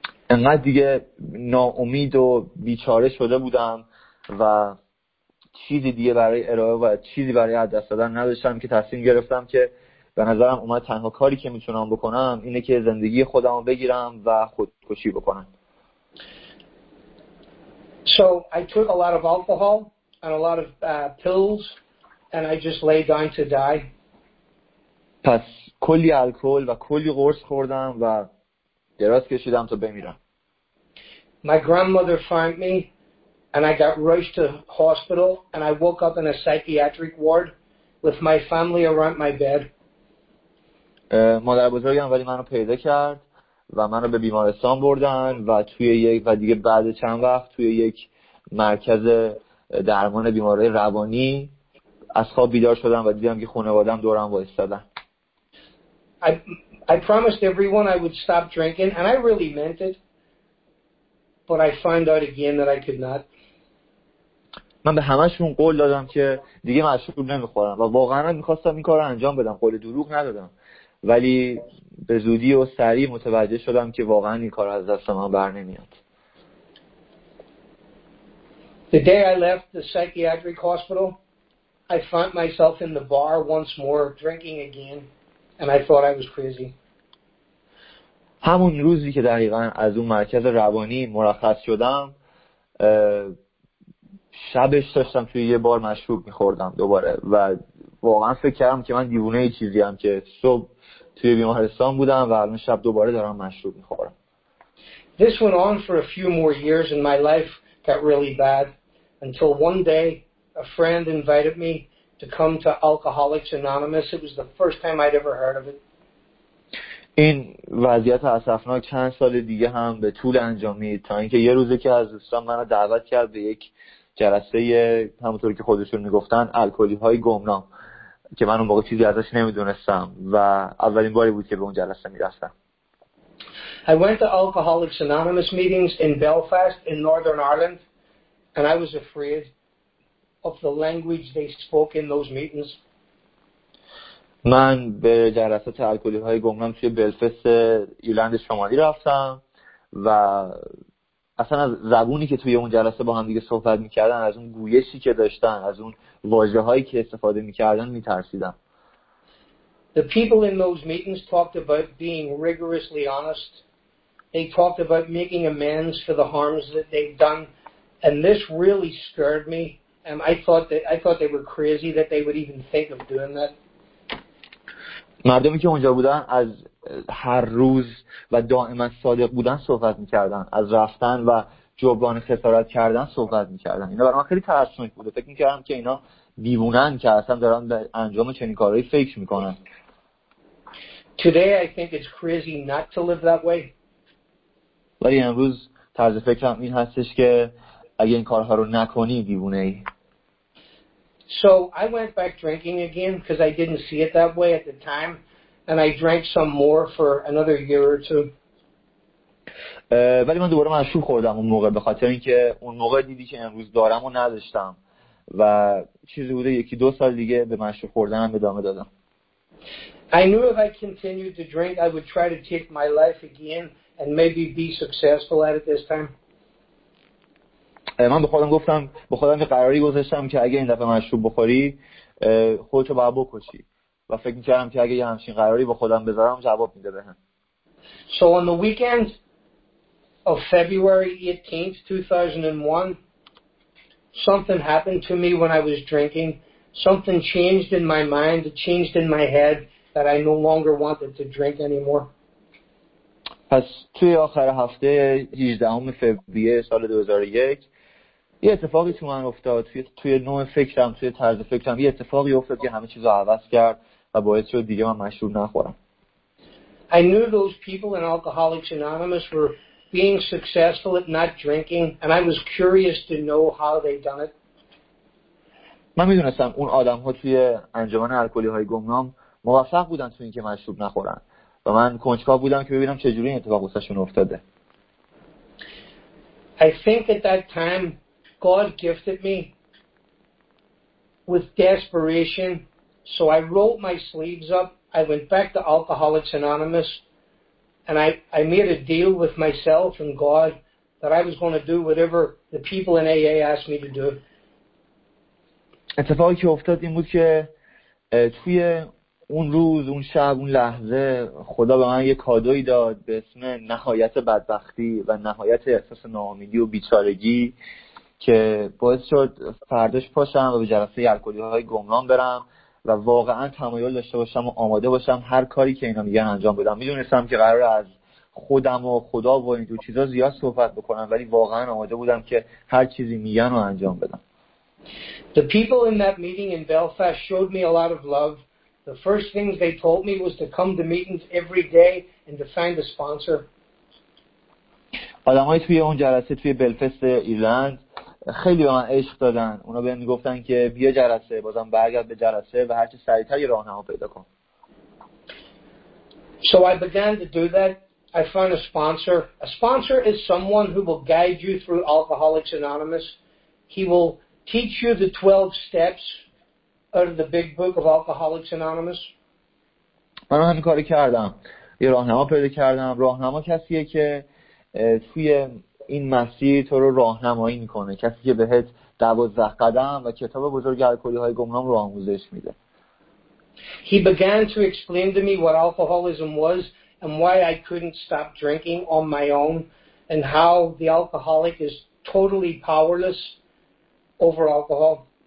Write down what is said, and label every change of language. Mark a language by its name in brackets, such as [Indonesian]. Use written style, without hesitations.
[Persian] انقدر دیگه ناامید و بیچاره شده بودم و چیزی دیگه برای ارائه و چیزی برای از دست دادن نداشتم که تصمیم گرفتم که به نظرم اومد تنها کاری که میتونم بکنم اینه که زندگی خودمو بگیرم و خودکشی بکنم. [English] So I took a lot of alcohol and a lot of pills and I just lay down to die. [Persian] پس کلی الکل و کلی قرص خوردم و دراز کشیدم تا بمیرم. [English] My grandmother found me and I got rushed to hospital and I woke up in a psychiatric ward with my family around my bed. [Persian] مادر بزرگم ولی منو پیدا کرد و منو به بیمارستان بردن و توی یک و دیگه بعد چند وقت توی یک مرکز درمان بیماری روانی از خواب بیدار شدم و دیدم که خانواده‌ام دورم وایستادن. [English] I promised everyone I would stop drinking and I really meant it. But I found out again that I could not. [Persian] من به همه‌شون قول دادم که دیگه مشروب نمی‌خورم و واقعاً می‌خواستم این کارو انجام بدم، قول دروغ ندادم. ولی به زودی و سریع متوجه شدم که واقعاً این کار از دست من بر نمیاد. [English] The day I left the psychiatric hospital, I found myself in the bar once more drinking again and I thought I was crazy. [Persian] همون روزی که دقیقاً از اون مرکز روانی مرخص شدم، شبش داشتم توی یه بار مشروب می‌خوردم دوباره و واقعاً فکر کردم که من دیوونه چیزی ام که صبح توی بیمارستان بودم و الان شب دوباره دارم مشروب می‌خورم. [English] This went on for a few more years and my life got really bad until one day a friend invited me to come to Alcoholics Anonymous. It was the first time I'd ever heard of it. [Persian] این وضعیت اسفناک چند سال دیگه هم به طول انجامید تا اینکه یه روزی که از دوستان منو دعوت کرد به یک جلسه، همونطور که خودشون میگفتن الکلی‌های گمنام، که من اون موقع چیزی ازش نمیدونستم و اولین باری بود که به اون جلسه میرفتم. [English] I went to Alcoholics Anonymous meetings in Belfast in Northern Ireland and I was afraid of the language they spoke in those meetings. [Persian] من به جلسات الکلی های گمنام توی بلفست ایرلند شمالی رفتم و اصلا از زبونی که توی اون جلسه با هم دیگه صحبت میکردن، از اون گویشی که داشتن، از اون واژه هایی که استفاده میکردن میترسیدم. [English] The people in those meetings talked about being rigorously honest. They talked about making amends for the harms that they'd done and this really scared me. And I thought they were crazy that they would even think of doing that. [Persian] مردمی که اونجا بودن از هر روز و دائما صادق بودن صحبت میکردن، از رفتن و جبران خسارت کردن صحبت میکردن. اینا برای من خیلی ترسناک بود. فکر میکردم که اینا دیوونن که اصلا دارن به انجام چنین کارهایی فکر میکنن. [English] Today I think it's crazy not to live that way. [Persian] ولی امروز طرز فکرم این هستش که اگه این کارها رو نکنی دیوونه ای. [English] So I went back drinking again because I didn't see it that way at the time and I drank some more for another year or two. [Persian] ولی من دوباره مشروب خوردم اون موقع به خاطر اینکه اون موقع دیدی که امروز دارم و نداشتم و چیزی بوده یکی دو سال دیگه به مشروب خوردنم ادامه دادم. [English] I knew if I continued to drink I would try to take my life again and maybe be successful at it this time. [Persian] من به خودم گفتم، به خودم یه قراری گذاشتم که اگه این دفعه مشروب بخوری خودتو باید بکشی و فکر می‌کردم که اگه یه همچین قراری با خودم بذارم جواب میده بهم. [English] So on the weekend of February 18th, 2001 something happened to me when I was drinking. Something changed in my mind, changed in my head that I no longer wanted to drink anymore. [Persian] پس توی آخر هفته 18 فوریه سال 2001 یه اتفاقی تو من افتاد، توی نوع فکرم، توی طرز فکرم یه اتفاقی افتاد که همه چیز رو عوض کرد و باعث شد دیگه من مشروب نخورم. [English] I knew those people in Alcoholics Anonymous were being successful at not drinking and I was curious to know how they done it. [Persian] من میدونستم اون آدم ها توی انجمن الکلی های گمنام موفق بودن توی این که مشروب نخورن و من کنجکاو بودم که ببینم چجوری این اتفاق واسشون افتاده. [English] I think at that time God gifted me with desperation, so I rolled my sleeves up. I went back to Alcoholics Anonymous and I made a deal with myself and God that I was going to do whatever the people in AA asked me to do. [Persian] اتفاقی که افتاد این بود که توی اون روز، اون شب، اون لحظه خدا به من یه کادوی داد به اسم نهایت بدبختی و نهایت احساس ناامیدی و بیچارگی که باعث شد فرداش پاشم و به جلسه الکلی‌های گمنام برم و واقعا تمایل داشته باشم و آماده باشم هر کاری که اینا میگن انجام بدم. میدونستم که قرار از خودم و خدا و این دو چیزا زیاد صحبت بکنم ولی واقعا آماده بودم که هر چیزی میگن رو انجام بدم. [English] The people in that meeting in Belfast showed me a lot of love. The first things they told me was to come to meetings every day and to find a sponsor. [Persian] آدمای توی اون جلسه توی بلفست ایرلند خیلی به من عشق دادن. اونا به من گفتن که بیا جلسه، بازم برگرد به جلسه و هرچی سریعتر راه نما پیدا کن. [English] So I began to do that. I found a sponsor. A sponsor is someone who will guide you through Alcoholics Anonymous. He will teach you the 12 steps out of the big book of Alcoholics Anonymous. [Persian] من همین کارو کردم. یه راهنما پیدا کردم. راهنما کسیه که توی این مسیر تو رو راهنمایی میکنه. کسی که بهت 12 قدم و کتاب بزرگ الکلی‌های گمنام رو آموزش میده. [English] He began to explain to me what alcoholism was and why I couldn't stop drinking on my own and how the alcoholic is totally powerless over alcohol.